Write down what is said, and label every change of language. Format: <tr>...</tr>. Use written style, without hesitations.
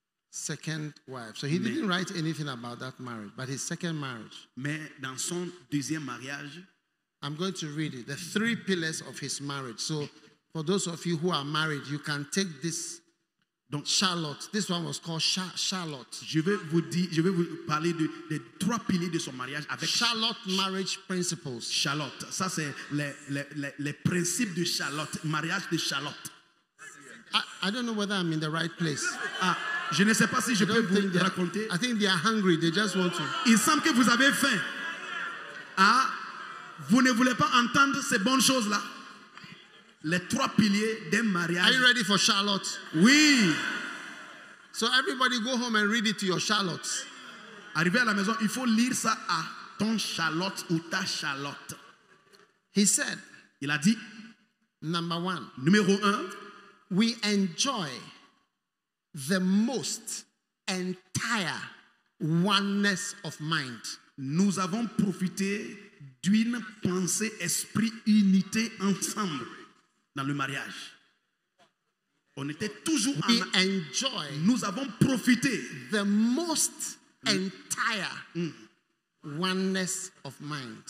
<en>second wife. So he didn't write anything about that marriage, but his second marriage.</en> <fr>Mais dans son deuxième mariage,</fr> <en>I'm going to read it. The three pillars of his marriage. So for those of you who are married, you can take this.</en> <fr>Donc,</fr> <en>Charlotte. This one was called Charlotte.</en> <fr>Je vais vous parler de trois piliers de son mariage avec</fr> <en>Charlotte marriage principles.</en> <fr>Charlotte. Ça, c'est les principes de Charlotte. Mariage de Charlotte.</fr> <en>I don't know whether I'm in the right place.</en> <fr>Ah, je ne sais pas si je peux vous raconter.</fr> <en>I think they are hungry. They just want to.</en> <fr>Il semble que vous avez faim. Ah, vous ne voulez pas entendre ces bonnes choses-là. Les trois piliers d'un mariage.</fr> <en>Are you ready for Charlotte?</en> <fr>Oui.</fr> <en>So everybody go home and read it to your Charlotte.</en> <fr>Arrivé à la maison, il faut lire ça à ton Charlotte ou ta Charlotte.</fr> <en>He said.</en> <fr>Il a dit.</fr> <en>Number one.</en> <fr>Numéro un.</fr> <en>We enjoy the most entire oneness of mind.</en> <fr>Nous avons profité d'une pensée esprit unité ensemble. Dans le mariage. On était toujours</fr> <en>we enjoy</en> <fr>nous avons profité</fr> <en>the most entire oneness of mind.</en>